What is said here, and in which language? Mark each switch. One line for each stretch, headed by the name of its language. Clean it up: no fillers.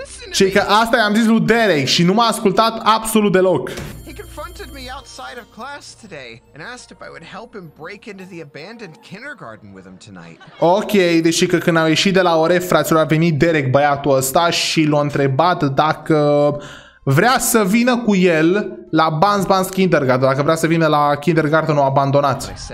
Romanian: Și că asta i-am zis lui Derek și nu m-a ascultat absolut deloc.
English: Outside of class today and asked if I would help him break into the abandoned kindergarten with him tonight.
Romanian: Ok, deși că când au ieșit de la ore, fraților, a venit Derek, băiatul ăsta, și l-a întrebat dacă vrea să vină cu el la Bans Bans Kindergarten, dacă vrea să vină la kindergartenul abandonat.